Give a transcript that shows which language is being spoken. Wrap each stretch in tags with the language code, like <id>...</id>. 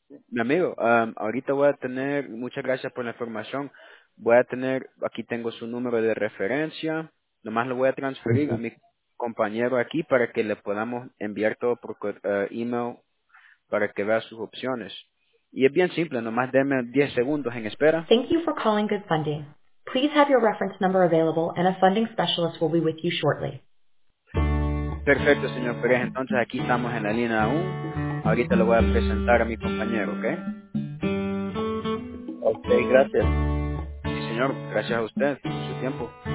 <es>Mi amigo, ahorita voy a tener, muchas gracias por la información. Voy a tener, aquí tengo su número de referencia. Nomás lo voy a transferir a mi compañero aquí para que le podamos enviar todo por email para que vea sus opciones. Y es bien simple, nomás deme 10 segundos en espera.</es> <en>Thank you for calling Good Funding. Please have your reference number available and a funding specialist will be with you shortly.</en> <es>Perfecto, señor Pérez. Entonces aquí estamos en la línea 1. Ahorita lo voy a presentar a mi compañero, ¿ok? Ok, gracias. Sí, señor. Gracias a usted por su tiempo.</es>